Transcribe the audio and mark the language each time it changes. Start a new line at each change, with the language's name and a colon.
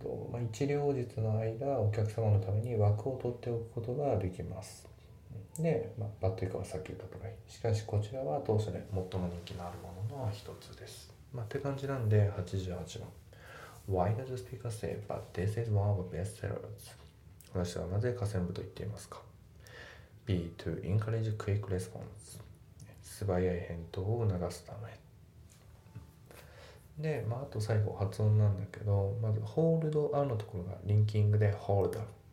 Japanese: まあ、一両日の間、お客様のために枠を取っておくことができます。で、まあ、バッテリーかはさっき言ったとおり。しかし、こちらは当初で最も人気のあるものの一つです。まあ、って感じなんで、88番。
English: Why does the speaker say, but this is one of the best sellers?
Japanese: 私はなぜ下線部と言っていますか。
English: B. To encourage quick response.
Japanese: 素早い返答を促すため。で、まあ、あと最後、発音なんだけど、まず、hold a のところが、リンキングで hold a。